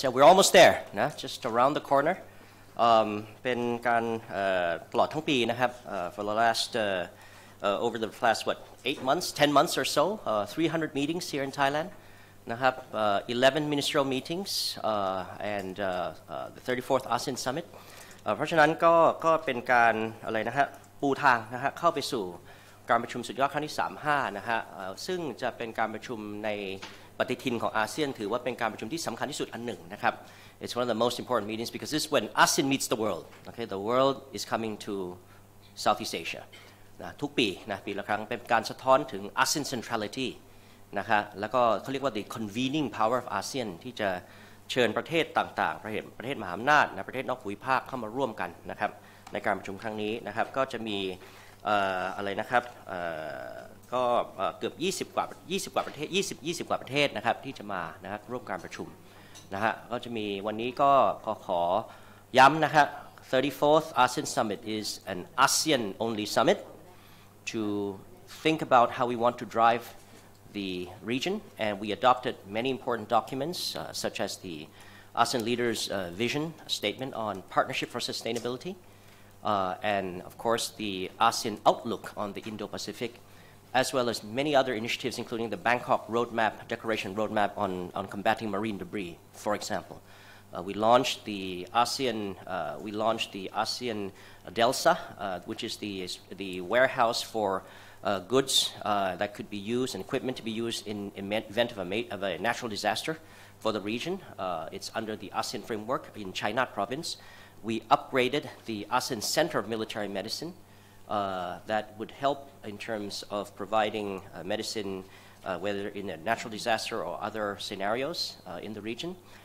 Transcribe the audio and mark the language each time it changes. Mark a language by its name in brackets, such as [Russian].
[English] Yeah, we're almost there, นะ just around the corner. [Thai] เป็นการตลอดทั้งปีนะครับ [English] for the last over the past what 8 months, 10 months or so, 300 meetings here in Thailand. We have 11 ministerial meetings and the 34th ASEAN Summit. [Thai] เพราะฉะนั้นก็เป็นการอะไรนะฮะปูทางนะฮะเข้าไปสู่การประชุมสุดยอดครั้งที่35นะฮะซึ่งจะเป็นการประชุมในปฏิทินของอาเซียนถือว่าเป็นการประชุมที่สำคัญที่สุดอันหนึ่งนะครับ [English] It's one of the most important meetings because this is when ASEAN meets the world. Okay, the world is coming to Southeast Asia. [Thai] นะทุกปีนะปีละครั้งเป็นการสะท้อนถึง ASEAN centralityนะครับแล้วก็เขาเรียกว่า [English] the convening power of ASEAN [Thai] ที่จะเชิญประเทศต่างๆประเทศมหาอำนาจนะประเทศนอกภูมิภาคเข้ามาร่วมกันนะครับในการประชุมครั้งนี้นะครับก็จะมีอะไรนะครับ ก็เกือบ20กว่าประเทศ20กว่าประเทศนะครับที่จะมานะครับร่วมการประชุมนะฮะก็จะมีวันนี้ก็ขอย้ำนะครับ [English] 34th ASEAN Summit is an ASEAN only summit to think about how we want to driveThe region, and we adopted many important documents, such as the ASEAN leaders' vision statement on partnership for sustainability, and of course the ASEAN outlook on the Indo-Pacific, as well as many other initiatives, including the Bangkok roadmap, declaration roadmap on combating marine debris, for example. We launched the ASEAN DELSA, which is the warehouse for. Goods that could be used and equipment to be used in event of a natural disaster for the region. It's under the ASEAN framework in Chainat province. We upgraded the ASEAN Center of Military Medicine that would help in terms of providing medicine, whether in a natural disaster or other scenarios in the region.